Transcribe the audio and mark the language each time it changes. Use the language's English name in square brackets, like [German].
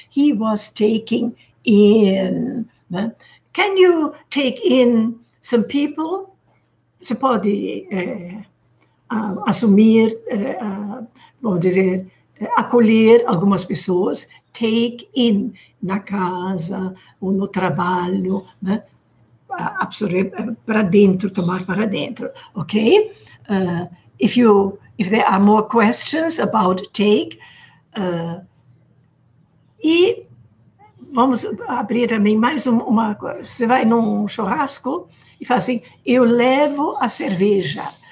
[English] He was taking in. Né? Can you take in some people? [Portuguese] Você pode assumir, vamos dizer, acolher algumas pessoas. Take in na casa ou no trabalho, né? Absorver para dentro, tomar para dentro, ok? [English] If there are more questions about take, e [Portuguese] vamos abrir também mais uma coisa. Você vai num churrasco e fala assim, eu levo a cerveja.